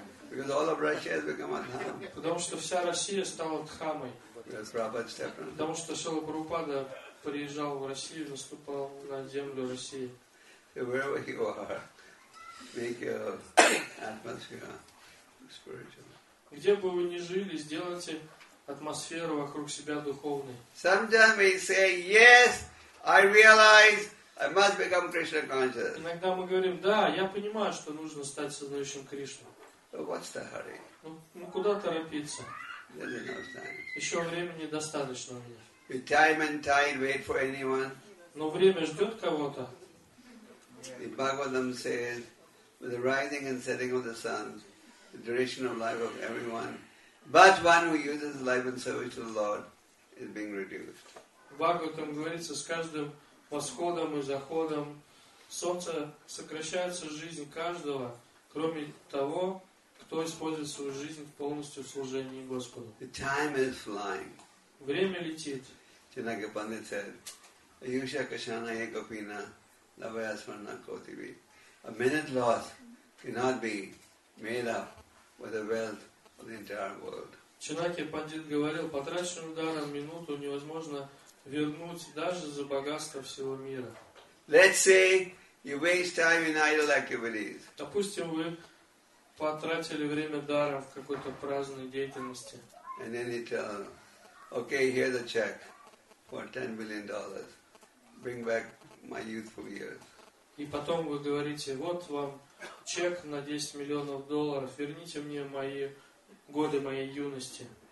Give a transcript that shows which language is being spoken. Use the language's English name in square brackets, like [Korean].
[English] Because all of Russia has become a dham. [Russian] Потому что вся Россия стала дхамой. Потому что Шрила Прабхупада приезжал в Россию, наступал на землю России. [English] So wherever you are, make your atmosphere spiritual. [Russian] Где бы вы ни жили, сделайте атмосферу вокруг себя духовной. [English] Sometimes we say, yes, I realize I must become Krishna conscious. [Russian] Иногда мы говорим, да, я понимаю, что нужно стать сознающим Кришну. [English] What's the hurry? [Russian] Ну, куда торопиться? [English] There's enough time. [Russian] Еще времени достаточно у меня. [English] With time and tide wait for anyone. [Russian] Но время ждет кого-то. [English] The Bhagavatam says, with the rising and setting of the sun, the duration of life of everyone, but one who uses his life in service to the Lord is being reduced. [Russian] Бхагаватам говорится, с каждым восходом и заходом солнце сокращается жизнь каждого, кроме того, кто использует свою жизнь полностью в служении Господу. [English] The time is flying. [Russian] Время летит. [Sanskrit] Chinnaka Pandit said, Ayusha Kashana Ekapina Lavayasmarna Kotivi. [English] A minute lost cannot be made up with the wealth of the entire world. [Russian] Чинаки Пандит говорил, потраченным даром минуту невозможно вернуть даже за богатство всего мира. [English] Let's say you waste time in idle activities. [Russian] Допустим, вы потратили время даром в какой-то праздной деятельности. [English] And then you tell, okay, here's a check for $10 billion. Bring back my youthful years. [Russian] И потом вы говорите, вот вам чек на 10 миллионов долларов, верните мне мои годы моей юности.